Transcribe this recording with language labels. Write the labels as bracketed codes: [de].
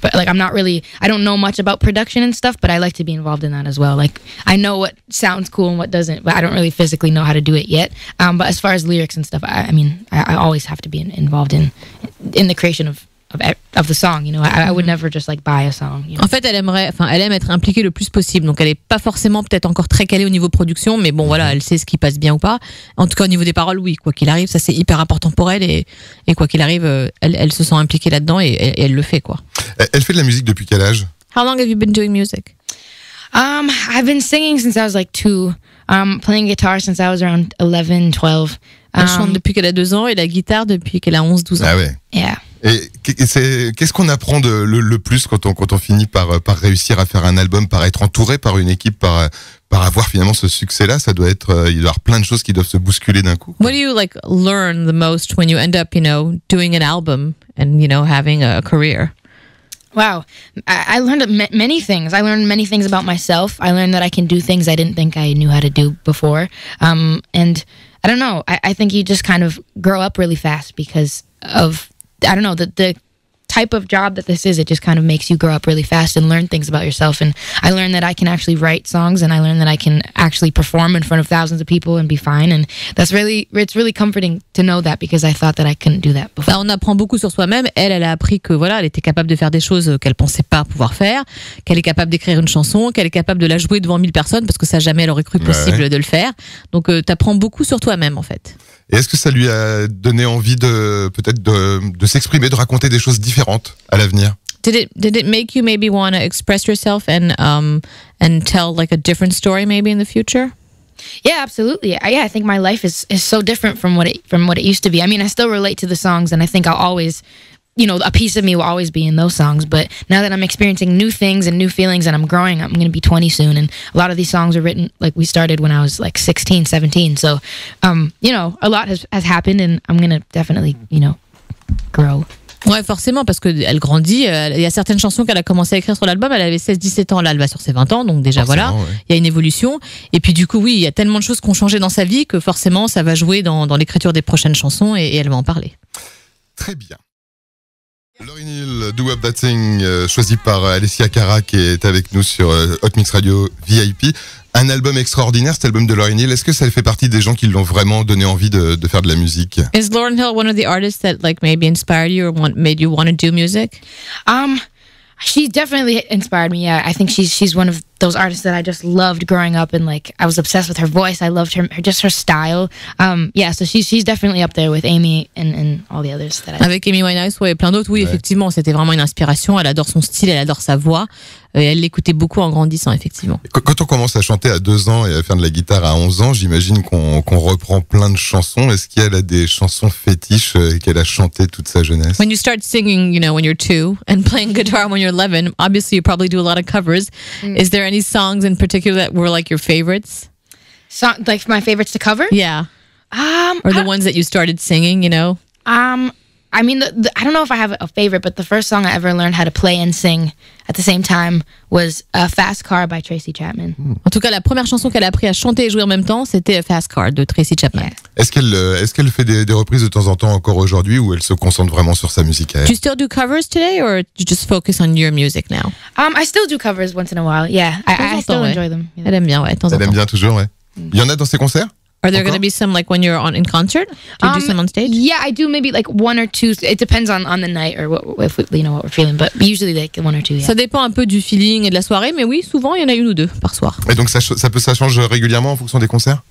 [en] But like, I don't know much about production and stuff, but I like to be involved in that as well. Like, I know what sounds cool and what doesn't, but I don't really physically know how to do it yet. But as far as lyrics and stuff, I always have to be involved in the creation of the song, you know. I would never just like buy a song, you know. [fr] En fait, elle aime être impliquée le plus possible, donc elle est pas forcément peut-être encore très calée au niveau production, mais bon, voilà, elle sait ce qui passe bien ou pas. En tout cas, au niveau des paroles, oui, quoi qu'il arrive, ça c'est hyper important pour elle, et quoi qu'il arrive, elle se sent impliquée là-dedans et elle le fait, quoi. Elle fait de la musique depuis quel âge? [en] How long have you been doing music? I've been singing since I was like 2, playing guitar since I was around 11, 12. [fr] Elle chante depuis qu'elle a 2 ans et la guitare depuis qu'elle a 11, 12 ans. Ah ouais. [en] Yeah. [fr] Et qu'est-ce qu'on apprend le plus quand on finit par réussir à faire un album, par être entouré par une équipe, par avoir finalement ce succès-là? Ça doit être, il doit y avoir plein de choses qui doivent se bousculer d'un coup. [en] What do you like learn the most when you end up, you know, doing an album and, you know, having a career? Wow, I learned many things. I learned many things about myself. I learned that I can do things I didn't think I knew how to do before. And I don't know. I think you just kind of grow up really fast because of, I don't know, the type of job that this is, it just kind of makes you grow up really fast and learn things about yourself. And I learned that I can actually write songs, and I learned that I can actually perform in front of thousands of people and be fine. And that's really, it's really comforting to know that, because I thought that I couldn't do that before. [fr] Bah, on apprend beaucoup sur soi-même. Elle a appris que voilà, elle était capable de faire des choses qu'elle pensait pas pouvoir faire, qu'elle est capable d'écrire une chanson, qu'elle est capable de la jouer devant 1000 personnes, parce que ça jamais elle aurait cru possible de le faire. Donc t'apprends beaucoup sur toi-même, en fait. Et est-ce que ça lui a donné envie de peut-être de s'exprimer, de raconter des choses différentes à l'avenir? [en] Did it make you maybe want to express yourself and tell like a different story maybe in the future? Yeah, absolutely. I think my life is so different from what it used to be. I mean, I still relate to the songs, and I think I'll always, you know, a piece of me will always be in those songs. But now that I'm experiencing new things and new feelings and I'm growing, I'm going to be 20 soon. And a lot of these songs were written, like we started when I was like 16, 17. So, you know, a lot has happened, and I'm going to definitely, you know, grow. [fr] Ouais, forcément, parce qu'elle grandit. Il y a certaines chansons qu'elle a commencé à écrire sur l'album. Elle avait 16, 17 ans. Là, elle va sur ses 20 ans. Donc, déjà, forcément, voilà. Ouais. Il y a une évolution. Et puis, du coup, oui, il y a tellement de choses qui ont changé dans sa vie que forcément, ça va jouer dans l'écriture des prochaines chansons, et elle va en parler. Très bien. Lauryn Hill, Do Up That Thing, choisi par Alessia Cara, qui est avec nous sur Hot Mix Radio VIP. Un album extraordinaire, cet album de Lauryn Hill. Est-ce que ça fait partie des gens qui l'ont vraiment donné envie de faire de la musique? [en] Is Lauryn Hill one of the artists that like maybe inspired you or made you want to do music? She definitely inspired me. Yeah, I think she's one of those artists that I just loved growing up, and like I was obsessed with her voice. I loved her just her style. Yeah, so she's definitely up there with Amy and all the others that I. [fr] Avec Amy Winehouse, ouais, plein d'autres. Oui, ouais. Effectivement, c'était vraiment une inspiration. Elle adore son style, elle adore sa voix, et elle l'écoutait beaucoup en grandissant, effectivement. Quand on commence à chanter à 2 ans et à faire de la guitare à 11 ans, j'imagine qu'on reprend plein de chansons. Est-ce qu'elle a des chansons fétiches qu'elle a chantées toute sa jeunesse? [en] When you start singing, you know, when you're 2 and playing guitar when you're 11, obviously you probably do a lot of covers. Is there any songs in particular that were like your favorites? So, like my favorites to cover? Yeah. Or the ones that you started singing, you know? I mean, I don't know if I have a favorite, but the first song I ever learned how to play and sing at the same time was A Fast Car by Tracy Chapman. [fr] En tout cas, la première chanson qu'elle a appris à chanter et jouer en même temps, c'était A Fast Car de Tracy Chapman. [en] Yeah. [fr] Est-ce qu'elle fait des reprises de temps en temps encore aujourd'hui, ou elle se concentre vraiment sur sa musique à elle? [en] Do you still do covers today, or do you just focus on your music now? I still do covers once in a while, yeah. I still enjoy them. [fr] Yeah. Elle aime bien, ouais. Elle aime bien toujours, ouais. Il y en a dans ses concerts? [en] Are there going to be some, like, when you're in concert? Do you do some on stage? Yeah, I do maybe, like, one or two. It depends on the night or what we're feeling, but usually, like, one or two, yeah. [fr] Ça dépend un peu du feeling et de la soirée, mais oui, souvent, il y en a une ou deux par soir. Et donc, ça change régulièrement en fonction des concerts?